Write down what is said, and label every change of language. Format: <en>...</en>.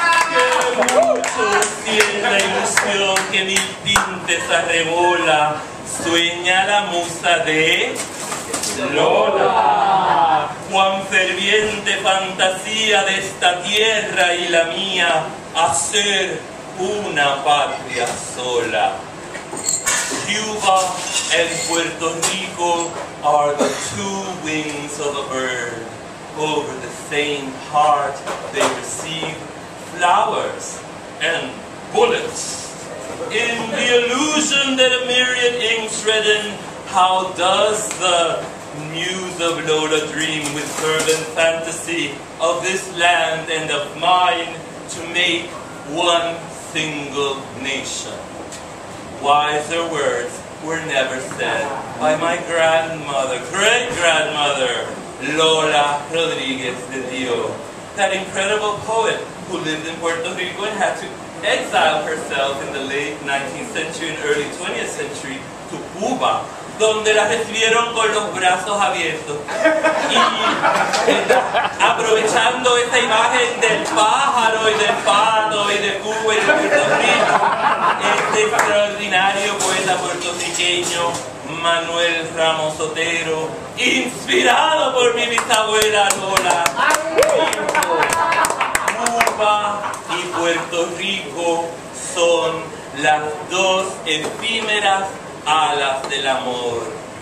<es>Que mucho tiene la ilusión que mi tinte se arrebola, sueña la musa de Lola. Cuán ferviente fantasía de esta tierra y la mía, hacer una patria sola.</es> <en>Cuba and Puerto Rico are the two wings of a bird. Over the same heart they receive flowers and bullets. In the illusion that a myriad inks redden, how does the muse of Lola dream with fervent fantasy of this land and of mine to make one single nation. Wiser words were never said by my grandmother, great-grandmother, Lola Rodríguez de Tío, that incredible poet who lived in Puerto Rico and had to exile herself in the late 19th century and early 20th century to Cuba,</en> <es>donde la recibieron con los brazos abiertos. Y aprovechando esta imagen del pájaro y del pato y de Cuba y de Puerto Rico, este extraordinario poeta puertorriqueño, Manuel Ramos Otero, inspirado por mi bisabuela Lola, dijo: Cuba y Puerto Rico son las dos efímeras alas del amor.</es>